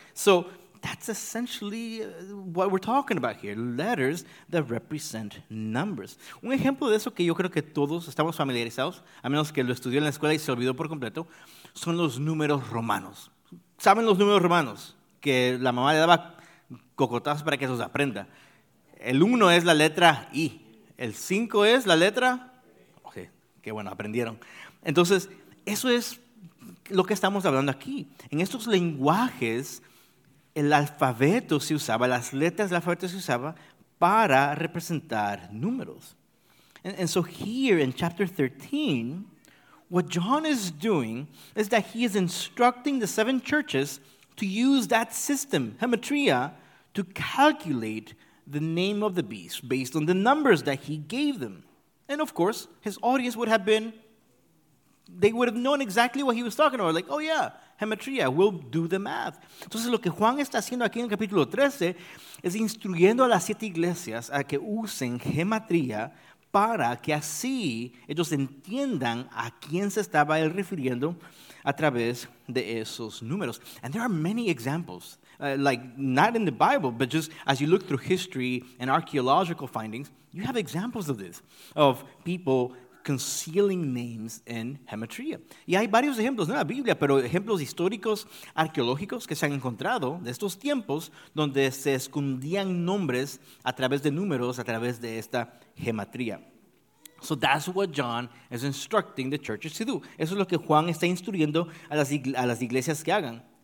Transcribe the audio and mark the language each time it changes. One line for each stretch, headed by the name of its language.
English: So that's essentially what we're talking about here, letters that represent numbers.
Spanish: Un ejemplo de eso que yo creo que todos estamos familiarizados, a menos que lo estudió en la escuela y se olvidó por completo, son los números romanos. ¿Saben los números romanos? Que la mamá le daba cocotazos para que se los aprenda. El 1 es la letra I. El 5 es la letra... Ok, qué bueno, aprendieron. Entonces, eso es lo que estamos hablando aquí. En estos lenguajes, el alfabeto se usaba, las letras del alfabeto se usaba para representar números.
English: And so here in chapter 13, what John is doing is that he is instructing the seven churches to use that system, hemetria, to calculate the name of the beast based on the numbers that he gave them. And of course, his audience would have been, they would have known exactly what he was talking about. Like, oh yeah, hemetria, we'll do the math.
Spanish: Entonces, lo que Juan está haciendo aquí en el capítulo 13 es instruyendo a las siete iglesias a que usen hemetria para que así ellos entiendan a quién se estaba él refiriendo a través de esos números.
English: And there are many examples, like not in the Bible, but just as you look through history and archaeological findings, you have examples of this, of people concealing names in hemetria.
Spanish: Y hay varios ejemplos, no en la Biblia, pero ejemplos históricos, arqueológicos, que se han encontrado de estos tiempos donde se escondían nombres a través de números, a través de esta hemetria.
English: So that's what John is instructing the churches to do.
Spanish: Eso es lo que Juan está instruyendo a las iglesias que hagan.